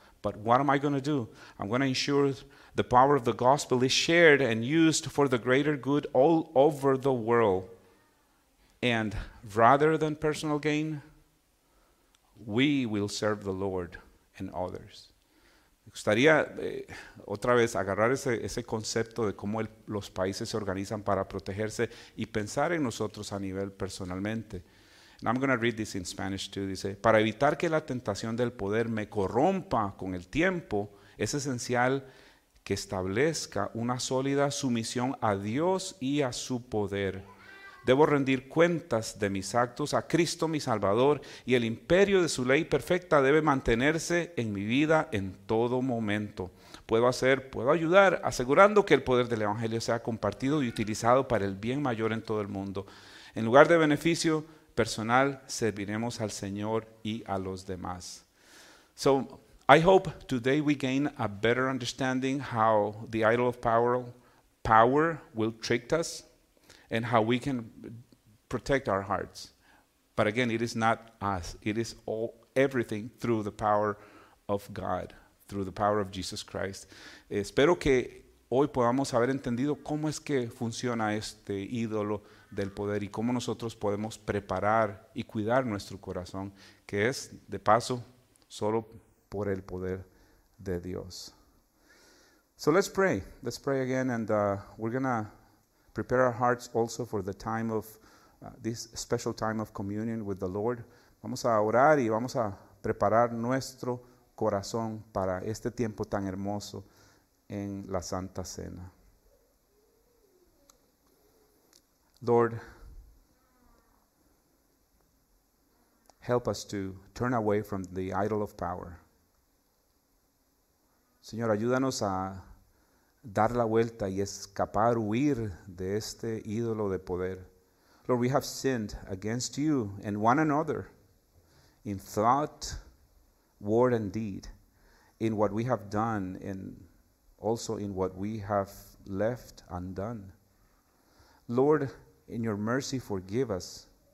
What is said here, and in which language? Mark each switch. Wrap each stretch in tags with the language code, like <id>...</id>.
<en>But what am I going to do? I'm going to ensure the power of the gospel is shared and used for the greater good all over the world. And rather than personal gain, we will serve the Lord and others.</en> <es>Me gustaría otra vez agarrar ese concepto de cómo los países se organizan para protegerse y pensar en nosotros a nivel personalmente.</es> <en>And I'm going to read this in Spanish too.</en> <es>Dice, para evitar que la tentación del poder me corrompa con el tiempo, es esencial que establezca una sólida sumisión a Dios y a su poder. Debo rendir cuentas de mis actos a Cristo mi Salvador, y el imperio de su ley perfecta debe mantenerse en mi vida en todo momento. Puedo ayudar, asegurando que el poder del Evangelio sea compartido y utilizado para el bien mayor en todo el mundo. En lugar de beneficio personal, serviremos al Señor y a los demás.</es> <en>So, I hope today we gain a better understanding how the idol of power will trick us, and how we can protect our hearts. But again, it is not us. It is all everything through the power of God, through the power of Jesus Christ.</en> <es>Espero que hoy podamos haber entendido cómo es que funciona este ídolo del poder y cómo nosotros podemos preparar y cuidar nuestro corazón, que es, de paso, solo por el poder de Dios.</es> <en>So let's pray. Let's pray again, and we're going to prepare our hearts also for the time of this special time of communion with the Lord.</en> <es>Vamos a orar y vamos a preparar nuestro corazón para este tiempo tan hermoso en la Santa Cena.</es> <en>Lord, help us to turn away from the idol of power.</en> <es>Señor, ayúdanos a dar la vuelta y escapar, huir de este ídolo de poder.</es> <en>Lord, we have sinned against you and one another in thought, word, and deed, in what we have done and also in what we have left undone. Lord, in your mercy, forgive us.</en>